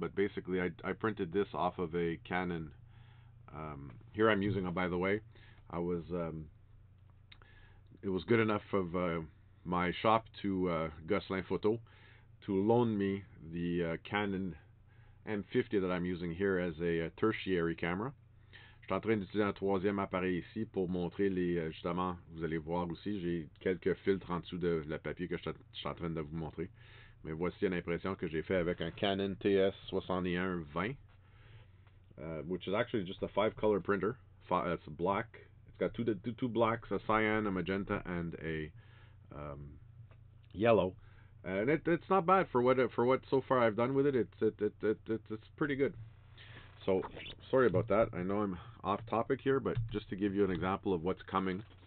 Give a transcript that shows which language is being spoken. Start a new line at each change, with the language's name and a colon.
English: But basically, I printed this off of a Canon. Here I'm using it, by the way. It was good enough of my shop to Gosselin Photo to loan me the Canon M50 that I'm using here as a tertiary camera.
French: Je suis en train d'utiliser un troisième appareil ici pour montrer les... Justement, vous allez voir aussi, j'ai quelques filtres en dessous de le papier que je suis en train de vous montrer. Mais voici une impression que j'ai fait avec un Canon TS-7120.
English: Which is actually just a five-color printer. It's black. It's got two blacks, a cyan, a magenta, and a yellow. And it's not bad for what so far I've done with it. It's pretty good. So, sorry about that. I know I'm off topic here, but just to give you an example of what's coming.